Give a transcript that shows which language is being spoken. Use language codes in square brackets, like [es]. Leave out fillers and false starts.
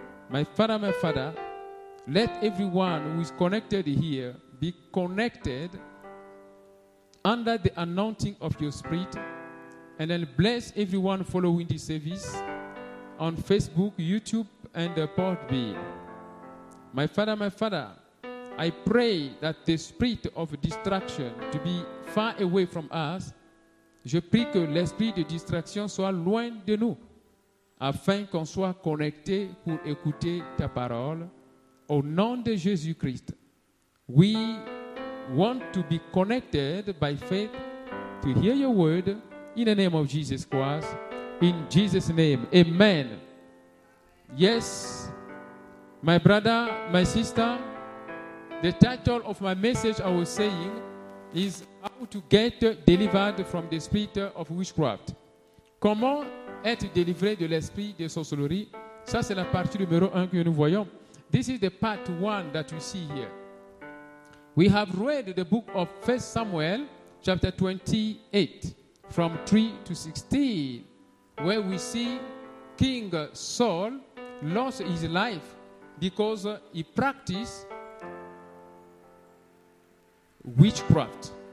[en] My Father, let everyone who is connected here be connected under the anointing of your spirit, and then bless everyone following this service on Facebook, YouTube, and Podbean. My Father, I pray that the spirit of distraction to be far away from us. [fr] Je prie que l'esprit de distraction soit loin de nous, afin qu'on soit connecté pour écouter ta parole. Au nom de Jésus-Christ, [en] we want to be connected by faith to hear your word in the name of Jesus Christ. In Jesus' name, amen. Yes, my brother, my sister, the title of my message I was saying is how to get delivered from the spirit of witchcraft. [fr] Comment être délivré de l'esprit de sorcellerie? Ça, c'est la partie numéro un que nous voyons. [en] This is the part one that we see here. We have read the book of 1 Samuel, chapter 28, from 3 to 16, where we see King Saul lost his life because he practiced witchcraft.